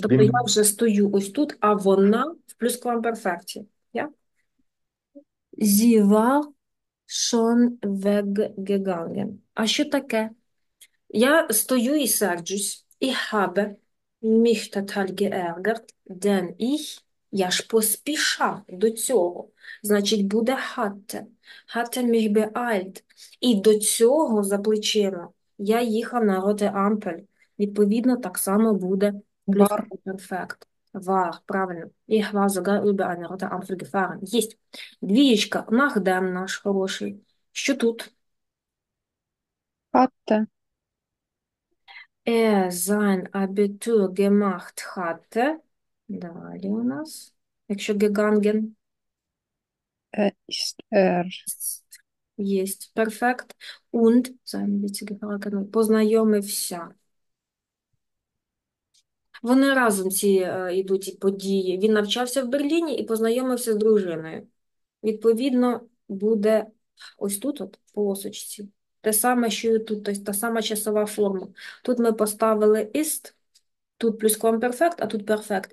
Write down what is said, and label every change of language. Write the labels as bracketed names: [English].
[Ukrainian] Тобто я вже стою ось тут, а вона в плюсквамперфекті. [German] Sie war schon weggegangen. [Ukrainian] А що таке? Я стою і серджусь. [German] Ich habe mich total geärgert, denn [Ukrainian] я ж поспішав до цього. Значить, буде [German] hatte. Hatte mich beeilt. [Ukrainian] І до цього за плечима я їхав на роте ампель. Відповідно, так само буде плюс Бар. перфект. [German] War, [Ukrainian] правильно. [German] Ich war sogar über eine rote Ampel gefahren. [Ukrainian] Єсть. Двієчка. Nachdem, наш хороший. Що тут? [German] Hatte. Sein Abitur gemacht hatte. [Ukrainian] Далі у нас. Якщо gegangen. [German] Ist er. [Ukrainian] Єсть. Перфект. [German] Und, sein witziger Charakter, [Ukrainian] познайомився. Вони разом ці йдуть ці події. Він навчався в Берліні і познайомився з дружиною. Відповідно, буде ось тут, от, в полосочці. Те саме, що і тут, тобто та сама часова форма. Тут ми поставили ist, тут плюс комперфект, а тут перфект.